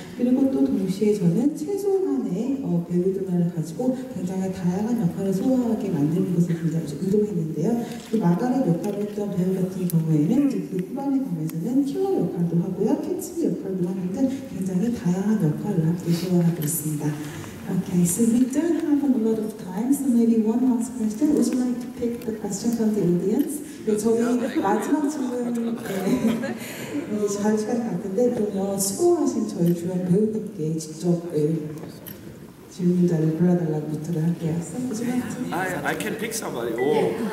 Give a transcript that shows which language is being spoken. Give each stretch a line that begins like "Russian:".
Korean: 그리고 또 동시에 저는 최소한의 배우들만을 가지고 굉장히 다양한 역할을 소화하게 만드는 것을 굉장히 의도했는데요. 그 마가렛 역할을 했던 배우 같은 경우에는 그 후반에 보면서는 킬러 역할도 하고요. 캐치 역할도 하는 등 굉장히 다양한 역할을 함께 소화하고 있습니다.
English: Okay, so we don't have a lot of time, so maybe one last question. Would you like to pick the question from the audience?
Korean: 네, 저희 마지막 질문, 네, 잘 시간이 갔는데, 그러면 수고하신 저희 주연 배우님께 직접 질문자를 불러달라고 부탁을 할게요.
English: I can pick somebody, oh.